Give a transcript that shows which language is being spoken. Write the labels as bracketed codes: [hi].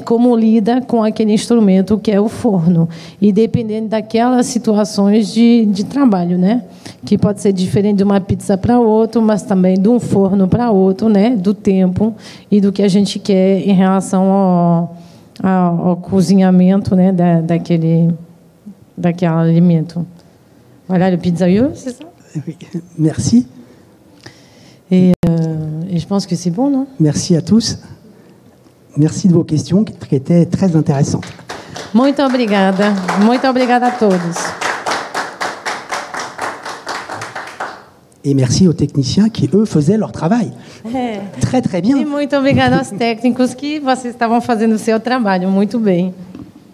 [pt] Como lida com aquele instrumento que é o forno. E dependendo daquelas situações de trabalho, né? Que pode ser diferente de uma pizza para outra, mas também de um forno para outro, né? Do tempo e do que a gente quer em relação ao cozinhamento, né, daquele alimento. [fr] Voilà le pizzaiolo, c'est ça? Oui, merci. Et je pense que c'est bon, non? Merci à tous. Merci de vos questions qui étaient très intéressantes. [pt] Muito obrigada. Muito obrigada a todos. [fr] Et merci aux techniciens qui, eux, faisaient leur travail. Très, très bien. [pt] Et muito obrigada aos técnicos que vocês estavam fazendo seu trabalho. Muito bem.